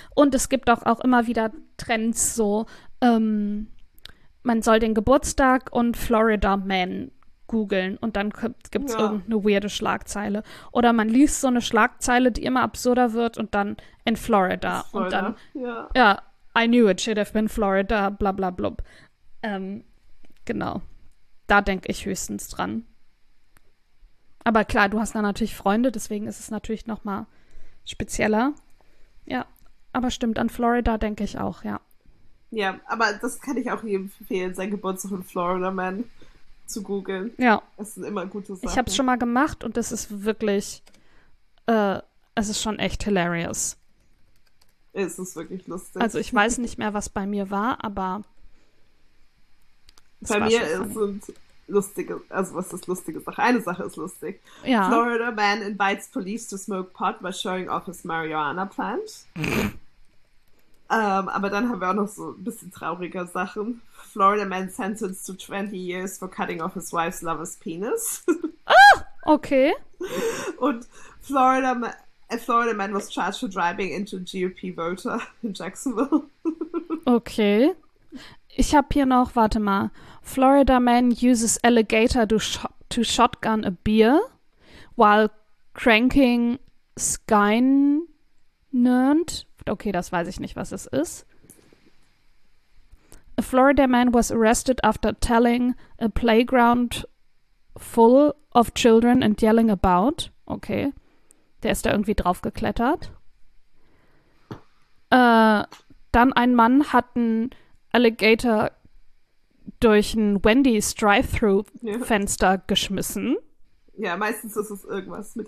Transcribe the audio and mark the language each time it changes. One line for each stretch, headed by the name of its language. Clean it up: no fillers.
German: Und es gibt auch immer wieder Trends, so man soll den Geburtstag und Florida Man googeln und dann gibt es Ja. irgendeine weirde Schlagzeile. Oder man liest so eine Schlagzeile, die immer absurder wird und dann in Ist Florida. Und dann, Florida, ja.
English: ja, I knew it should have been Florida, bla bla bla.
German: Genau. Da denke ich höchstens dran. Aber klar, du hast da natürlich Freunde, deswegen ist es natürlich noch mal spezieller. Ja, aber stimmt, an Florida denke ich auch, ja. Ja, aber das kann ich auch jedem empfehlen, sein Geburtstag von Florida Man zu googeln. Ja. Das sind immer gute Ich habe es Sachen. schon mal gemacht und es ist wirklich, es ist schon echt hilarious. Es ist wirklich Also ich lustig. weiß nicht mehr, was bei mir war, aber es Bei war schon mir
English: funny.
German: sind lustige, also was ist lustige Sache? Eine Sache ist lustig. Ja.
English: Florida man invites police to smoke pot by showing off his marijuana plant.
German: Aber dann haben wir auch noch so ein bisschen trauriger Sachen.
English: Florida man sentenced to 20 years for cutting off his wife's lover's penis.
German: Okay.
English: Und A Florida man was charged for driving into a GOP voter in Jacksonville.
German: Okay. Ich habe hier noch, warte mal.
English: Florida man uses alligator to shotgun a beer. While cranking Skynet.
German: Okay, das weiß ich nicht, was es ist.
English: A Florida man was arrested after telling a playground full of children and yelling about.
German: Okay. Der ist da irgendwie drauf geklettert. Dann ein Mann hat einen Alligator durch ein Wendy's Drive-Thru-Fenster Ja. geschmissen. Ja, meistens ist es irgendwas mit